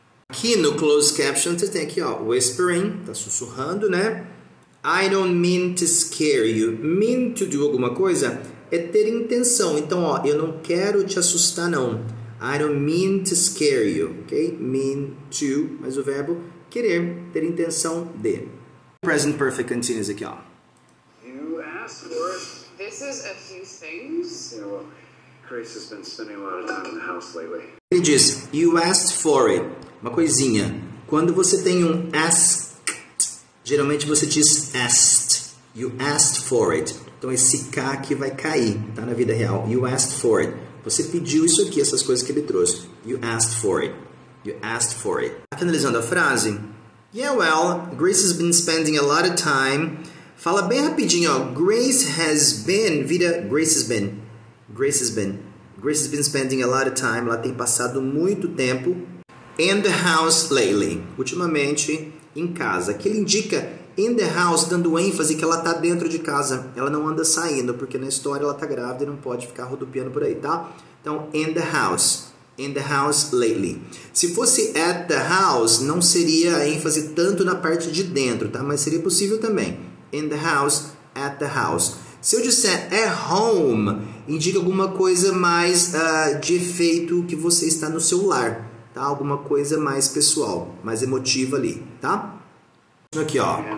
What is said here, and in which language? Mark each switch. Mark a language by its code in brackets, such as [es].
[pt] Aqui no closed caption você tem aqui, ó, whispering, tá sussurrando, né? [en] I don't mean to scare you. Mean to do [pt] alguma coisa é ter intenção. Então, ó, eu não quero te assustar, não. [en] I don't mean to scare you, ok? Mean to, [pt] mas o verbo querer, ter intenção de. Present perfect continuous aqui, ó. [en] You asked for this is a few things. Yeah, well, Chris has been spending a lot of time in the house lately. [pt] Ele diz, [en] you asked for it. [pt] Uma coisinha. Quando você tem um asked, geralmente você diz asked. [en] You asked for it. [pt] Então esse K aqui vai cair, tá? Na vida real. You asked for it. Você pediu isso aqui, essas coisas que ele trouxe. [en] You asked for it. You asked for it. [pt] Aqui analisando a frase. [en] Yeah, well, Grace has been spending a lot of time. [pt] Fala bem rapidinho, ó. [en] Grace has been, vira Grace has been. Grace has been. Grace has been spending a lot of time. [pt] Ela tem passado muito tempo. [en] In the house lately. [pt] Ultimamente, em casa. Aqui ele indica [en] in the house, [pt] dando ênfase que ela está dentro de casa. Ela não anda saindo, porque na história ela está grávida e não pode ficar rodopiando por aí, tá? Então, in the house. [en] In the house lately. [pt] Se fosse [en] at the house, [pt] não seria ênfase tanto na parte de dentro, tá? Mas seria possível também. [en] In the house, at the house. [pt] Se eu disser [en] at home, [pt] indica alguma coisa mais de efeito que você está no seu lar, tá? Alguma coisa mais pessoal, mais emotiva ali, tá? Aqui, ó.